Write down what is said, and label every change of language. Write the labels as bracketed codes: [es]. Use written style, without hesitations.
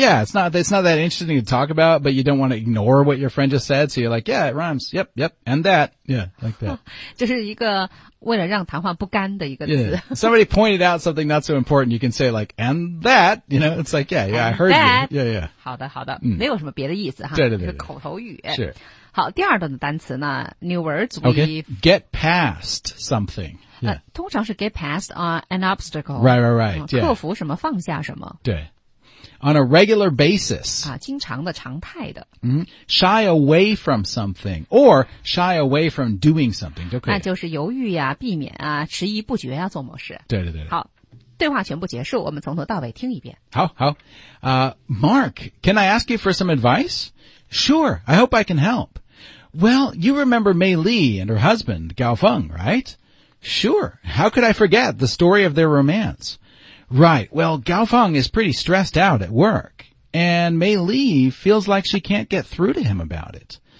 [en] yeah it's not that interesting to talk about but you don't want to ignore what your friend just said so you're like yeah it rhymes yep yep and that yeah like that [zh] 就是一个为了让谈话不干的一个词、 [en] yeah. somebody pointed out something not so important you can say like and that you know it's like yeah yeah、 and、 I heard、 that. you yeah yeah [zh] 好的好的、嗯、没有什么别的意思哈对对 对, 对、就是、口头语是好第二段的单词呢 [en] new words OK get past somethingYeah. [zh] 通常是 [en] get past an obstacle. Right, right, right.、Yeah. [zh] 克服什么放下什么。对。 [en] On a regular basis.、 [zh] 啊、经常的常态的。 [en] Mm-hmm. Shy away from something, or shy away from doing something, [zh] 就可以。那就是犹豫啊避免啊迟疑不决啊做某事。对对对。好。对话全部结束我们从头到尾听一遍。好好。 [en] Mark, can I ask you for some advice? Sure, I hope I can help. Well, you remember Mei Li and her husband, Gao Feng, right? Sure, how could I forget the story of their romance? Right, well, Gao Feng is pretty stressed out at work, and Mei Li feels like she can't get through to him about it.